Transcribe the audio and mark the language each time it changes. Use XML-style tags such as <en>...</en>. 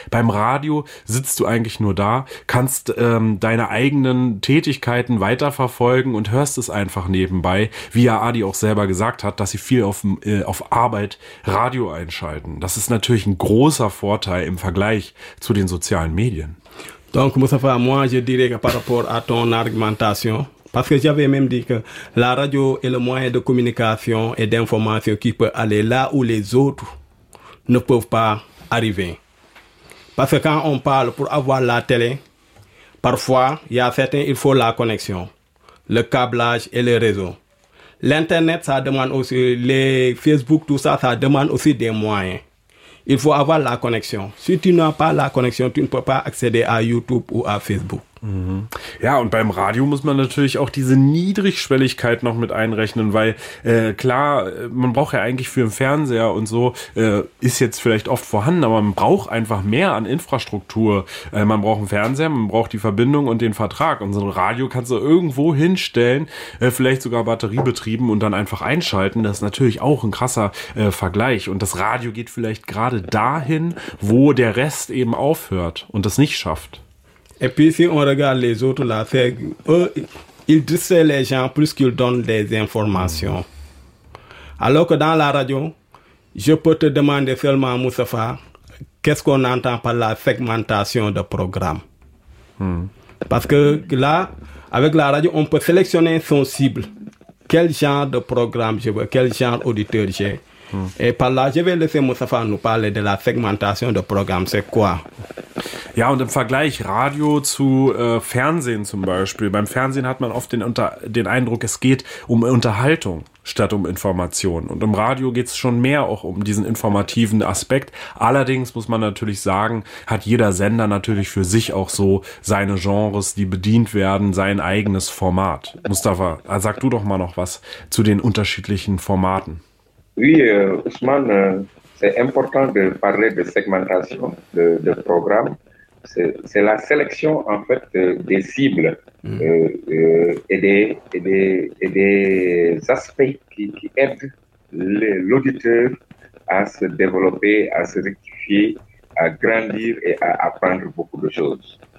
<de>Beim Radio sitzt du eigentlich nur da, kannst deine eigenen Tätigkeiten weiterverfolgen und hörst es einfach nebenbei, wie ja Adi auch selber gesagt hat, dass sie viel auf Arbeit Radio einschalten. Das ist natürlich ein großer Vorteil im Vergleich zu den sozialen Medien.</de> <fr>Donc, Moustapha, moi, je dirais que par rapport à ton argumentation, parce que j'avais même dit que la radio est le moyen de communication et d'information qui peut aller là où les autres ne peuvent pas arriver. Parce que quand on parle pour avoir la télé, parfois, il y a certains, il faut la connexion, le câblage et le réseau. L'Internet, ça demande aussi, les Facebook, tout ça, ça demande aussi des moyens. Il faut avoir la connexion. Si tu n'as pas la connexion, tu ne peux pas accéder à YouTube ou à Facebook.</fr> <de>Ja, und beim Radio muss man natürlich auch diese Niedrigschwelligkeit noch mit einrechnen, weil klar, man braucht ja eigentlich für den Fernseher und so, ist jetzt vielleicht oft vorhanden, aber man braucht einfach mehr an Infrastruktur. Man braucht einen Fernseher, man braucht die Verbindung und den Vertrag. Und so ein Radio kannst du irgendwo hinstellen, vielleicht sogar batteriebetrieben und dann einfach einschalten. Das ist natürlich auch ein krasser Vergleich. Und das Radio geht vielleicht gerade dahin, wo der Rest eben aufhört und das nicht schafft.</de> <fr>Et puis si on regarde les autres là, c'est, eux, ils distraient les gens plus qu'ils donnent des informations. Alors que dans la radio, je peux te demander seulement, Moustapha, qu'est-ce qu'on entend par la segmentation de programme? Parce que là, avec la radio, on peut sélectionner son cible. Quel genre de programme je veux, quel genre d'auditeur j'ai. Et par là, je vais laisser Moustapha nous parler de la segmentation de programme, c'est quoi?</fr> <de>Ja, und im Vergleich Radio zu Fernsehen zum Beispiel. Beim Fernsehen hat man oft den Eindruck, es geht um Unterhaltung statt um Informationen. Und im Radio geht es schon mehr auch um diesen informativen Aspekt. Allerdings muss man natürlich sagen, hat jeder Sender natürlich für sich auch so seine Genres, die bedient werden, sein eigenes Format. Moustapha, sag du doch mal noch was zu den unterschiedlichen Formaten.</de> <fr>Oui, Ousmane, c'est important de parler de segmentation de programme. C'est la sélection, en fait, des cibles et des aspects qui aident l'auditeur à se développer, à se rectifier, à grandir et à apprendre beaucoup de choses.</fr>